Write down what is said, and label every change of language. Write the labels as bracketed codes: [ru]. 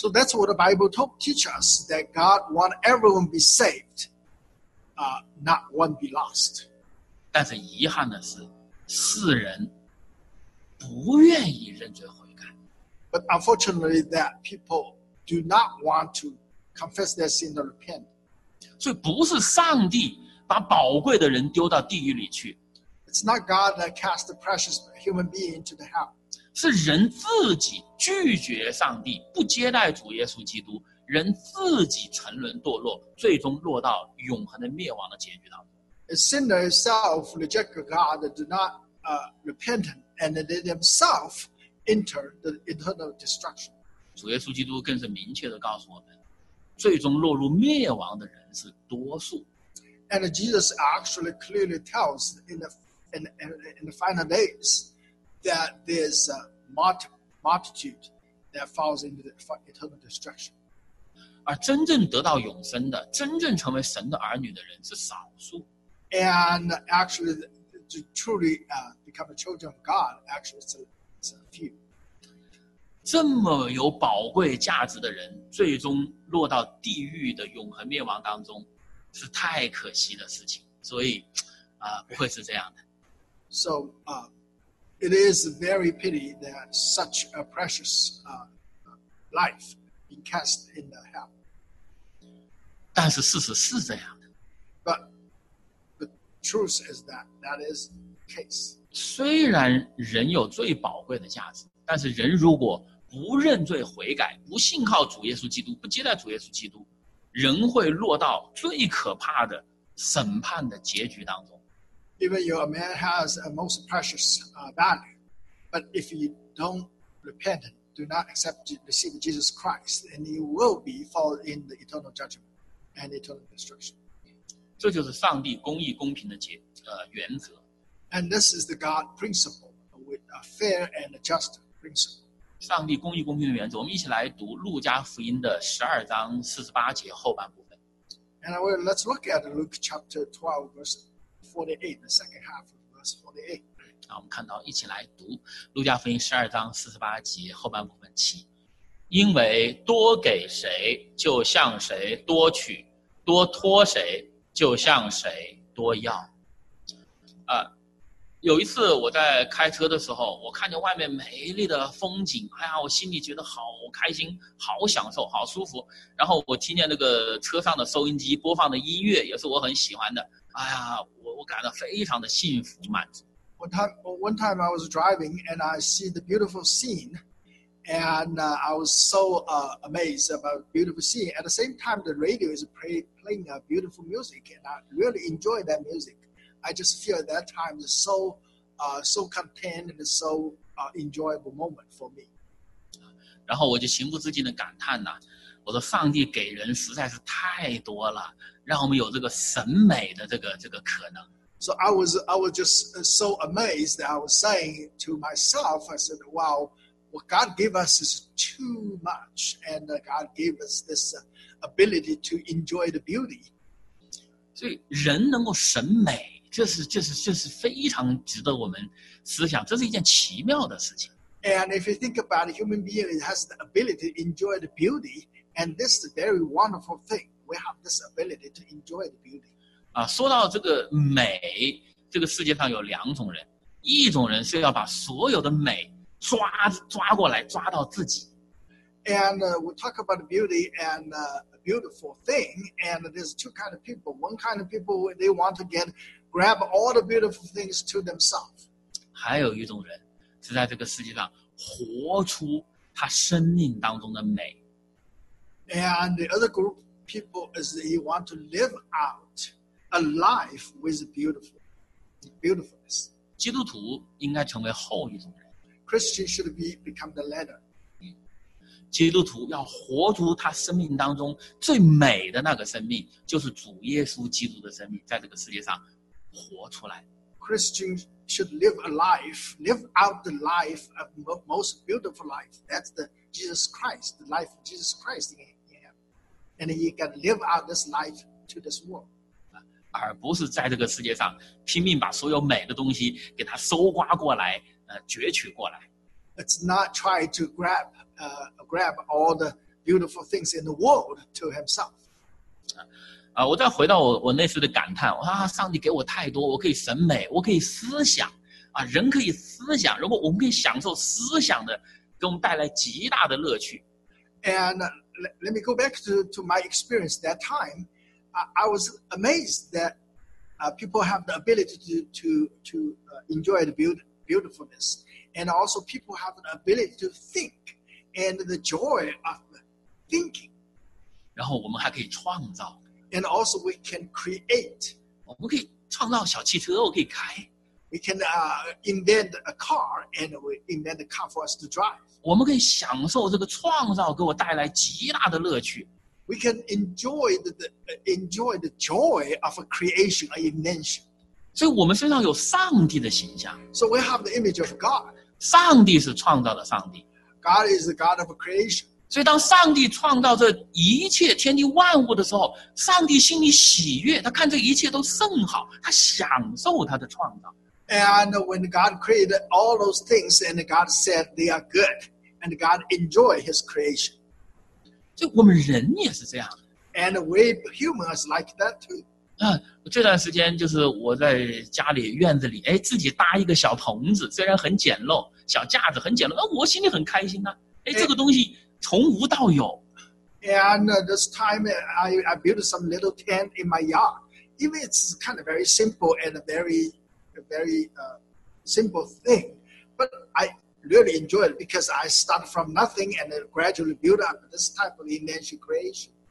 [en] So that's what the Bible teach us, that God want everyone be saved, not one be lost. [zh] 但是遗憾的是，世人不愿意认罪悔改。 [en] But unfortunately, that people do not want to confess their sin and repent. [zh] 所以不是上帝把宝贵的人丢到地狱里去。 [en] It's not God that cast the precious human being into the hell. [zh] 是人自己拒绝上帝，不接待主耶稣基督，人自己沉沦堕落，最终落到永恒的灭亡的结局当中。 [en] A sinner itself reject God, do not repent, and they themselves enter the eternal destruction. [zh] 主耶稣基督更是明确地告诉我们，最终落入灭亡的人是多数。 [en] And Jesus actually clearly tells in the final days, that there's a multitude that falls into the eternal destruction. [zh] 而真正得到永生的，真正成为神的儿女的人是少数。 [en] And actually, to truly become a children of God, actually, it's a few. [zh] 这么有宝贵价值的人，最终落到地狱的永恒灭亡当中，是太可惜的事情。所以，不会是这样的。 [en] So, it is very pity that such a precious life be cast in the hell. [zh] 但是事实是这样的。 [en] But the truth is that is the case. [zh] 虽然人有最宝贵的价值，但是人如果不认罪悔改，不信靠主耶稣基督，不接待主耶稣基督，人会落到最可怕的审判的结局当中。 [en] Even your man has a most precious value, but if you don't repent, do not accept to receive Jesus Christ, then you will be fall in the eternal judgment and eternal destruction. [zh] 这就是上帝公义公平的原则。 [en] And this is the God principle, with a fair and a just principle. [zh] 上帝公义公平的原则，我们一起来读路加福音的12:48后半部分。 [en] And let's look at Luke chapter 12 verse. 48, the second half of verse 48. [zh] 我们看到，一起来读《路加福音》12:48后半部分起。因为多给谁，就向谁多取；多托谁，就向谁多要。有一次我在开车的时候，我看见外面美丽的风景，哎呀，我心里觉得好开心，好享受，好舒服。然后我听见那个车上的收音机播放的音乐，也是我很喜欢的。哎呀，我感到非常的幸福满足。 [en] One time I was driving and I see the beautiful scene, and I was so amazed about beautiful scene. At the same time, the radio is playing a beautiful music, and I really enjoy that music. I just feel at that time is so so content and so enjoyable moment for me. [zh] 然后我就情不自禁的感叹呐，我的上帝给人实在是太多了，让我们有这个审美的这个可能。 [en] So I was just so amazed that I was saying to myself, I said, "Wow, what God gave us is too much, and God gave us this ability to enjoy the beauty." [zh] 所以人能够审美，这是非常值得我们思想，这是一件奇妙的事情。 [en] And if you think about a human being, it has the ability to enjoy the beauty, and this is a very wonderful thing. We have this ability to enjoy the beauty. [zh] 啊，说到这个美，这个世界上有两种人，一种人是要把所有的美抓过来，抓到自己。 [en] And we talk about beauty and a beautiful thing, and there's two kind of people. One kind of people, they want to grab all the beautiful things to themselves. [zh] 还有一种人是在这个世界上活出他生命当中的美。 [en] And the other group of people is that you want to live out a life with beautifulness. [zh] 基督徒应该成为后一种人。 [en] Christian should become the latter. [zh] 基督徒要活出他生命当中最美的那个生命，就是主耶稣基督的生命，在这个世界上活出来。 [en] Christian should live out the life of most beautiful life. That's the Jesus Christ, the life of Jesus Christ in him. And he can live out this life to this world. [zh] 而不是在这个世界上拼命把所有美的东西给他搜刮过来，攫取过来。 [en] It's not try to grab all the beautiful things in the world to himself. [zh] 啊，我再回到我那次的感叹，啊，上帝给我太多，我可以审美，我可以思想，啊，人可以思想，如果我们可以享受思想的，给我们带来极大的乐趣。 [en] And let me go back to my experience that time. I was amazed that people have the ability to enjoy the beautifulness, and also people have the ability to think and the joy of thinking. [zh] 然后我们还可以创造。 [en] And also we can create. [zh] 我们可以创造小汽车，我可以开。 [en] We can invent a car and we invent a car for us to drive. [zh] 我们可以享受这个创造给我带来极大的乐趣。 [en] We can enjoy the joy of a creation, an invention. [zh] 所以我们身上有上帝的形象。 [en] So we have the image of God. [zh] 上帝是创造的上帝。 [en] God is the God of creation. [zh] 所以当上帝创造这一切天地万物的时候，上帝心里喜悦，他看这一切都甚好，他享受他的创造。 [en] And when God created all those things, and God said they are good, and God enjoyed his creation. [zh] 所以我们人也是这样。 [en] And we humans like that too. [zh] 这段时间就是我在家里院子里，自己搭一个小棚子，虽然很简陋，小架子很简陋，我心里很开心啊。这个东西从无到有。 [en] And this time I built some little tent in my yard. Even it's kind of very simple and a very, very simple thing. But I really enjoy it because I start from nothing and gradually build up this type of invention creation.